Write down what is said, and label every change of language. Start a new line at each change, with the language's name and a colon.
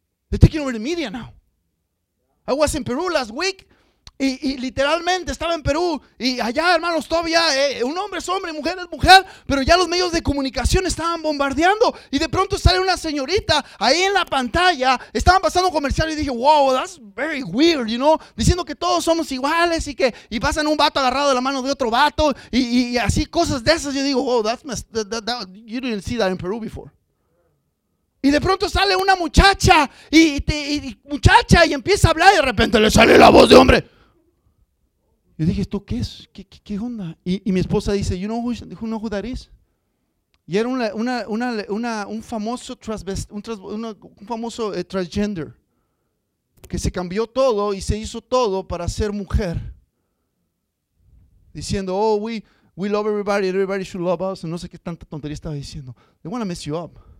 English: They're taking over the media now.
Spanish: I was in Peru last week. Y literalmente estaba en Perú. Y allá, hermanos, todavía un hombre es hombre, mujer es mujer. Pero ya los medios de comunicación estaban bombardeando. Y de pronto sale una señorita ahí en la pantalla.
English: Estaban pasando comercial y dije, wow, that's very weird, you know.
Spanish: Diciendo que todos somos iguales y que y pasan un vato agarrado de la mano de otro vato. Y así cosas de esas. Yo digo,
English: wow, that's you didn't see that in Peru before.
Spanish: Y de pronto sale una muchacha y muchacha y empieza a hablar y de repente le sale la voz de hombre. Yo dije, ¿esto qué es? ¿Qué onda? Y mi esposa dice,
English: you know who that is?
Spanish: Y era un famoso transgender que se cambió todo y se hizo todo para ser mujer. Diciendo,
English: oh, we love everybody and everybody should love us.
Spanish: No sé qué tanta tontería estaba diciendo.
English: They want to mess you up.